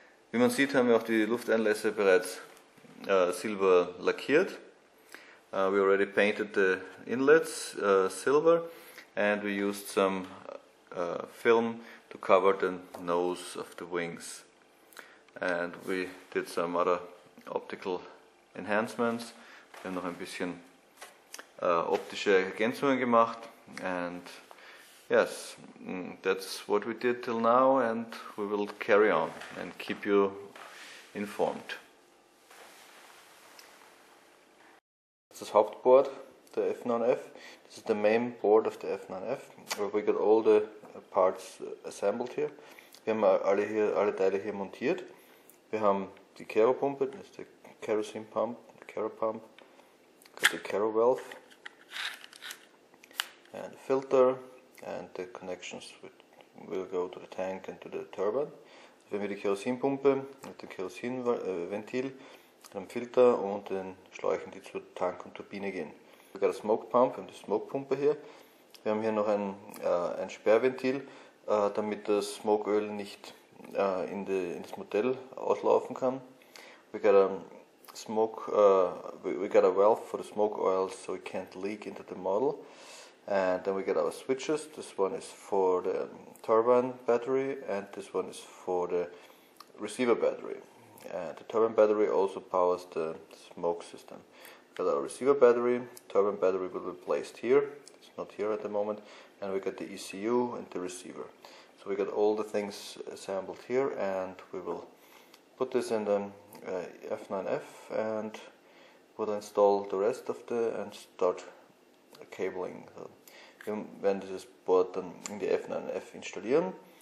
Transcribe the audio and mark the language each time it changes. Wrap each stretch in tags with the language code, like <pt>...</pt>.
<de>Wie man sieht, haben wir auch die Lufteinlässe bereits silber lackiert.</de> <en>We already painted the inlets silver and we used some film to cover the nose of the wings. And we did some other optical enhancements.</en> <de>Wir haben noch ein bisschen optische Ergänzungen gemacht.</de> <en>And yes, that's what we did till now and we will carry on and keep you informed.</en> <de>Das Hauptboard der F9F.</de> <en>This is the main board of the F9F, where we got all the parts assembled here.</en> <de>Wir haben alle Teile hier montiert. Wir haben die Kero-Pumpe, das ist der</de> <en>Kerosene Pump, Kero-Pump, the Kero Valve, and the Filter, and the connections with, will go to the tank and to the turbine.</en> <de>Wir haben hier die Kerosinpumpe mit dem Kerosinventil, einem Filter und den Schläuchen, die zur Tank und Turbine gehen. Wir haben die Smoke Pump, wir haben die Smoke Pumpe hier. Wir haben hier noch ein Sperrventil, damit das Smoke-Öl nicht ins Modell auslaufen kann. Wir haben</de> <en>a valve for the smoke oil, so it can't leak into the model. And then we got our switches. This one is for the turbine battery and this one is for the receiver battery. And the turbine battery also powers the smoke system. We got our receiver battery. Turbine battery will be placed here. It's not here at the moment. And we got the ECU and the receiver. So we got all the things assembled here and we will put this in the F9F and we'll install the rest of the and start cabling.</en> <de>So wir werden dieses Board dann in die F9F installieren.</de>